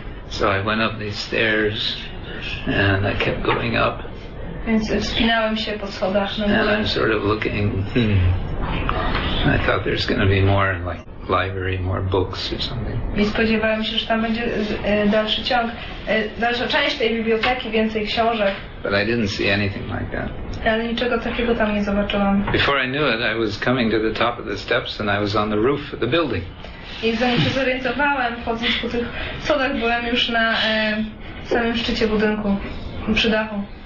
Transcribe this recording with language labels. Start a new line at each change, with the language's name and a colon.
English: So I went up these stairs and I kept going up. And I'm sort of looking. I thought there's going to be more like library, more books or something.
Polish: I spodziewałem się, że tam będzie dalszy ciąg, dalsza część tej biblioteki, więcej książek.
English: But I didn't see anything like that.
Polish: Ale niczego takiego tam nie zobaczyłam.
English: Before I knew it, I was coming to the top of the steps and I was on the roof of the building.
Polish: I zanim się zorientowałem, wchodząc po tych schodach, byłem już na samym szczycie budynku, przy dachu.